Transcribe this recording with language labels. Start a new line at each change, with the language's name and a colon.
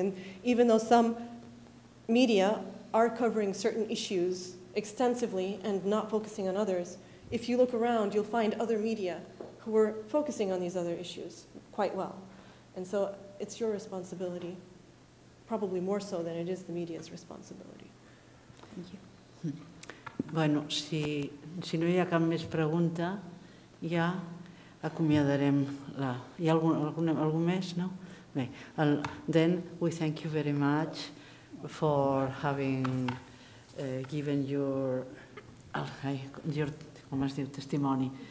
English: And even though some media are covering certain issues extensively and not focusing on others, if you look around, you'll find other media who are focusing on these other issues quite well. And so it's your responsibility, probably more so than it is the media's responsibility. Thank you.
Catalan: Bueno, si no hi ha cap més pregunta, ja acomiadarem la... Hi ha algú més, no?
English: Bé, then we thank you very much for having given your
Catalan: com es diu,
English: testimony.